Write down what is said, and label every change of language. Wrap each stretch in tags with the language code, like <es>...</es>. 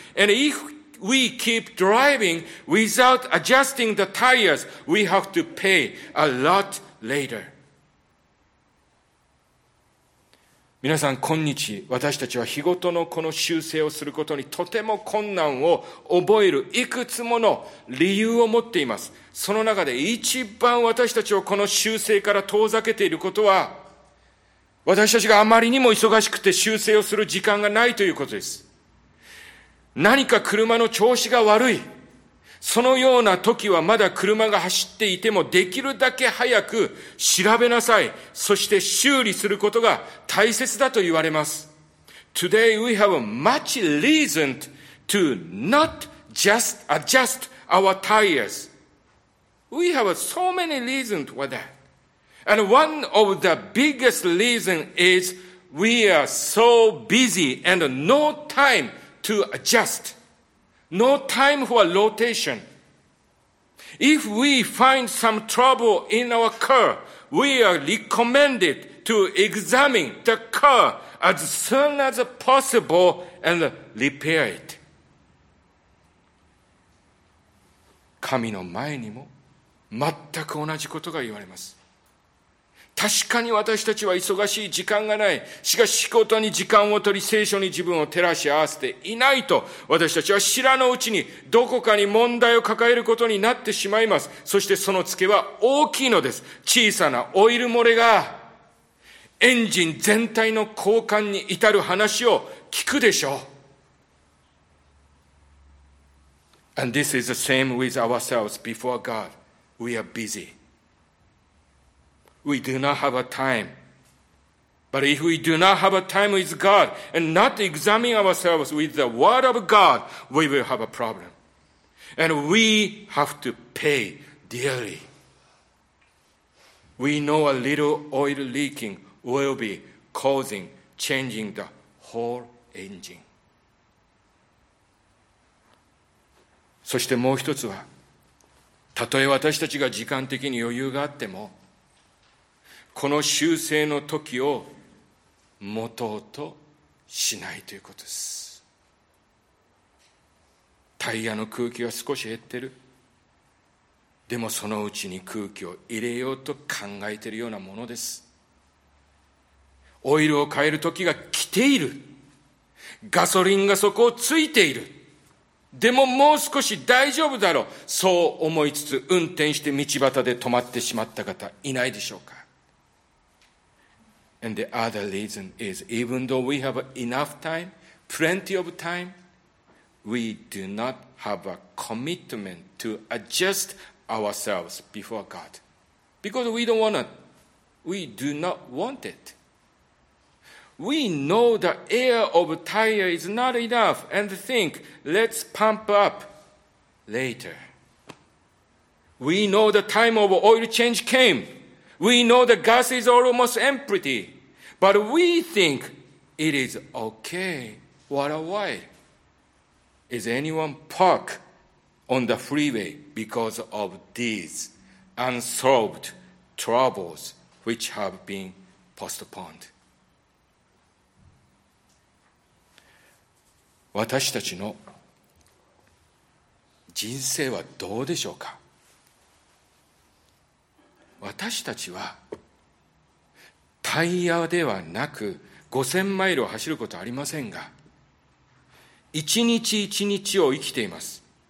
<en>And if we keep driving without adjusting the tires, we have to pay a lot later.</en> <ja>皆さん、今日、私たちは日ごとのこの修正をすることにとても困難を覚えるいくつもの理由を持っています。その中で一番私たちをこの修正から遠ざけていることは、私たちがあまりにも忙しくて修正をする時間がないということです。何か車の調子が悪い、そのような時はまだ車が走っていてもできるだけ早く調べなさい、そして修理することが大切だと言われます。</ja> <en>Today we have much reason to not just adjust our tires. We have so many reasons for that. And one of the biggest reason is we are so busy and no time to adjust. No time for rotation. If we find some trouble in our car, we are recommended to examine the car as soon as possible and repair it.</en> <ja>神の前にも全く同じことが言われます。確かに私たちは忙しい、時間がない。しかし仕事に時間を取り、聖書に自分を照らし合わせていないと、私たちは知らぬうちにどこかに問題を抱えることになってしまいます。そしてそのツケは大きいのです。小さなオイル漏れがエンジン全体の交換に至る話を聞くでしょう。</ja> <en>And this is the same with ourselves before God. We are busy. We do not have a time. But if we do not have a time with God and not examine ourselves with the word of God, we will have a problem. And we have to pay dearly. We know a little oil leaking will be causing, changing the whole engine.</en> <ja>そしてもう一つは、たとえ私たちが時間的に余裕があっても、この修正の時を持とうとしないということです。タイヤの空気は少し減ってる。でもそのうちに空気を入れようと考えているようなものです。オイルを変える時が来ている。ガソリンが底をついている。でももう少し大丈夫だろう。そう思いつつ運転して道端で止まってしまった方いないでしょうか。</ja> <en>And the other reason is, even though we have enough time, plenty of time, we do not have a commitment to adjust ourselves before God. Because we do not want it. We know the air of a tire is not enough and think, let's pump up later. We know the time of oil change came. We know the gas is almost empty. But we think it is okay. What a while. Is anyone park on the freeway because of these unsolved troubles which have been postponed?</en> <ja>私たちの人生はどうでしょうか。私たちはタイヤではなく5000マイルを走ることはありませんが、一日一日を生きています。</ja>